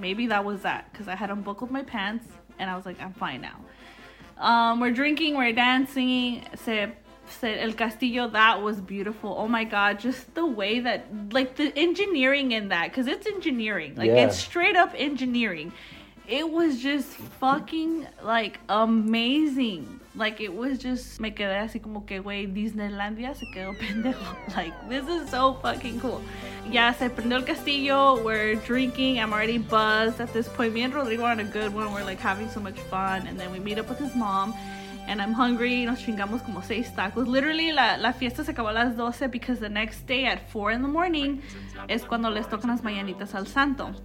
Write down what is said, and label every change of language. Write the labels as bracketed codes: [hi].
[en] Maybe that was that, because I had unbuckled my pants and I was like, I'm fine now. We're drinking, we're dancing, said El Castillo, that was beautiful. Oh my god, just the way that, like, the engineering in that, because it's engineering, like, yeah. It's straight up engineering. It was just fucking, like, amazing. Like, it was just, [es] me quedé así como que, güey, Disneylandia se quedó pendejo. [en] Like, this is so fucking cool. Yeah, [es] se prendió el castillo, [en] we're drinking, I'm already buzzed at this point. Me and Rodrigo are on a good one, we're like having so much fun, and then we meet up with his mom. And I'm hungry. [es] Nos chingamos como 6 tacos. Literally, la fiesta se acabó a las 12, [en] because the next day at 4 in the morning [es] es cuando les tocan las mañanitas al santo.